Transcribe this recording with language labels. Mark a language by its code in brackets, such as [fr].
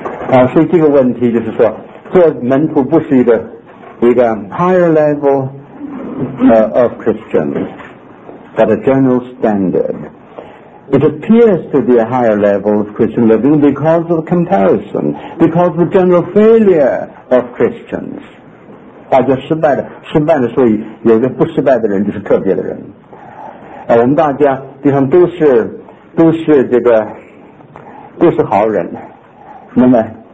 [zh] 啊，所以这个问题就是说，做门徒不是一个 [en] higher level of Christian, but a general standard. It appears to be a higher level of Christian living because of comparison, because of general failure of Christians. [zh] 大家失败的，所以有个不失败的人就是特别的人。啊，我们大家地方都是这个都是好人，那么。